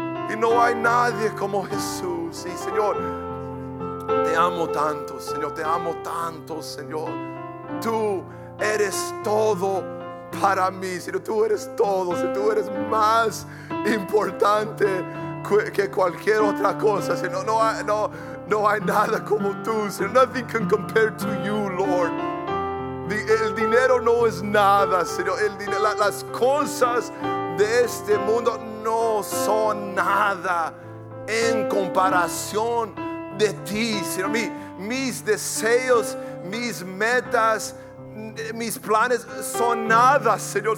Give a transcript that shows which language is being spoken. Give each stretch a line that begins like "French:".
Spanish: Y no hay nadie como Jesús. Y Señor, te amo tanto, Señor, te amo tanto, Señor. Tú eres todo para mí, Señor. Tú eres todo, Señor. Tú eres más importante que cualquier otra cosa, Señor. No hay nada como tú, Señor.
English: Nothing can compare to you, Lord.
Spanish: El dinero no es nada, Señor. El dinero, las cosas de este mundo no son nada en comparación de ti, Señor. Mis deseos, mis metas, mis planes son nada, Señor.